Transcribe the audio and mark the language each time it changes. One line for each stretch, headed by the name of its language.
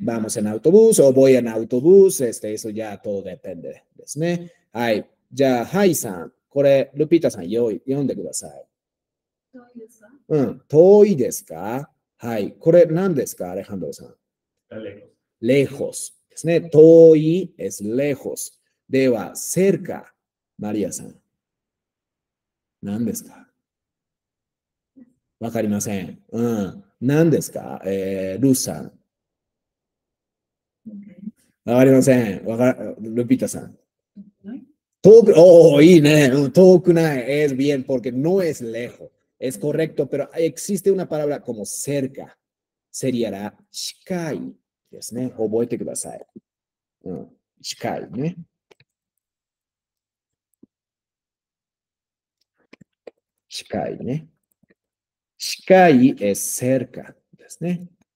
Spanish: Vamos en autobús o voy en autobús. Eso ya todo depende
Japanese: ですね。はい。じゃあ、ハイさん、これ、ルピータさん、読んでください。遠いですか？遠いですか？はい。これ、何ですか、アレハンドロさん？レホスですね。遠い
Spanish: es lejos。
Japanese: では、cerca、マリアさん。何ですか？わかりません。何ですか？ルーさん。わかりません。ルピタさん。遠く、おー、いいね。遠くない。
Spanish: Es bien, porque no es lejos. Es correcto, pero existe una palabra como cerca. Sería la
Japanese: 近いですね。覚えてください。近いね。近いね。近い
Spanish: es cerca
Japanese: ですね。